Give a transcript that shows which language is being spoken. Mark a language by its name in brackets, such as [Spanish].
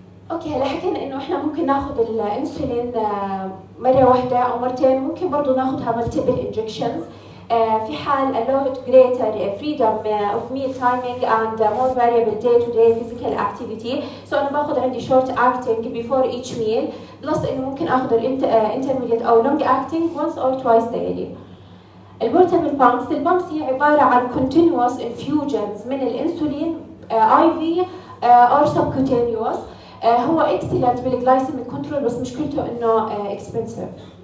[Arabic] اوكي هلا حكينا انه احنا ممكن ناخذ الانسولين مره واحده او مرتين، ممكن برضه ناخذها ملتيبل انجكشنز في حال [English] allowed greater freedom of meal timing and more variable day-to-day physical activity. So [Arabic] أنا بأخذ عندي [English] short acting before each meal plus [Arabic] إنه ممكن أخذ [English] intermediate أو long acting once or twice daily. [Arabic] البورتابل بامبس، البامبس هي عبارة عن [English] continuous infusions [Arabic] من الإنسولين [English] IV or subcutaneous. [Arabic] هو excellent بالglycemic control بس مشكلته إنه expensive.